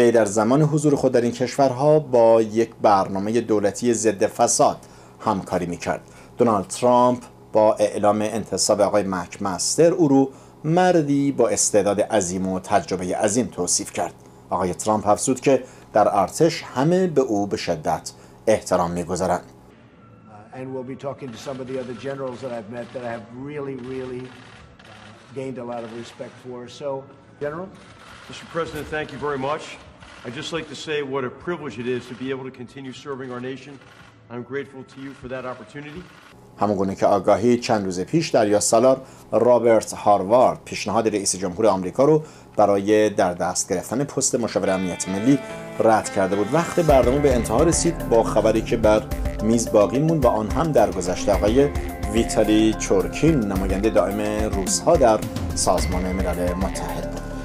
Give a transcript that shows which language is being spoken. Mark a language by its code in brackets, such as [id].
[fa] وی در زمان حضور خود در این کشورها با یک برنامه دولتی ضد فساد همکاری می‌کرد. دونالد ترامپ با اعلام انتصاب آقای مک‌مستر او را مردی با استعداد عظیم و تجربه عظیم توصیف کرد. آقای ترامپ افزود که در ارتش همه به او به شدت احترام می‌گذارند. [en] And we'll be talking to some of the other generals that I've met that I have really really gained a lot of respect for. So, General, Mr. President, thank you very much. I just like to say what a privilege it is to be able to continue serving our nation. I'm grateful to you for that opportunity. [fa] همونگونه که آگاهی، چند روز پیش دریا سالار رابرت هاروارد پیشنهاد رئیس جمهور آمریکا رو برای در دست گرفتن پست مشاور امنیت ملی رد کرده بود. وقت برنامه به انتها رسید با خبری که بر میز باقی مون و آن هم در گذشته آقای ویتالی چورکین نماینده دائم روسها در سازمان ملل متحد بود.